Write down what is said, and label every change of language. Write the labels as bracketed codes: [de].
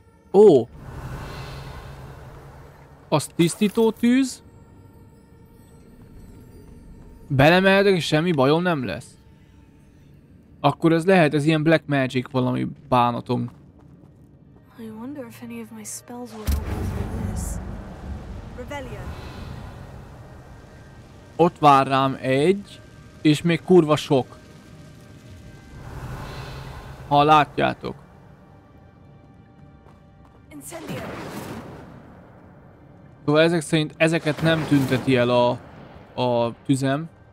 [hu] Oh. Az tisztító tűz. Belemehetek és semmi bajom nem lesz. Akkor ez lehet, ez ilyen [en] black magic [hu] valami bánatom. [en] I wonder if any of my spells will help with this. [hu] Ravenia. Ott vár rám egy, és még kurva sok. Ha látjátok. Szóval ezek szerint ezeket nem tünteti el a tüzem.